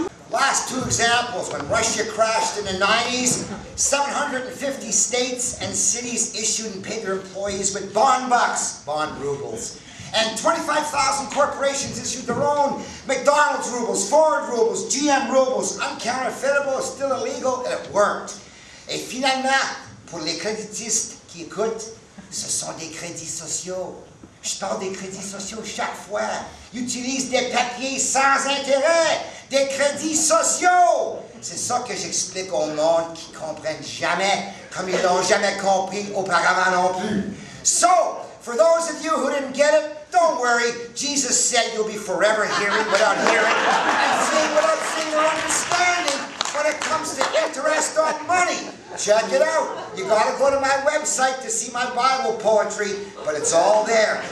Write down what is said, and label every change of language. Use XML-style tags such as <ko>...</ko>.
<en>Last two examples, when Russia crashed in the 90s, 750 states and cities issued and paid their employees with bond bucks, bond rubles. And 25,000 corporations issued their own McDonald's rubles, Ford rubles, GM rubles. Uncounterfeitable, it's still illegal, and it worked.</en> <fr>Et finalement, pour les créditistes qui écoutent, ce sont des crédits sociaux. Je parle des crédits sociaux chaque fois. Utilise des papiers sans intérêt, des crédits sociaux. C'est ça que j'explique au monde qui ne comprennent jamais, comme ils n'ont jamais compris auparavant non plus.</fr> <en>So, for those of you who didn't get it, don't worry. Jesus said you'll be forever hearing without hearing and seeing without seeing. your understanding when it comes to interest on money. Check it out. You gotta go to my website to see my Bible poetry, but it's all there.</en>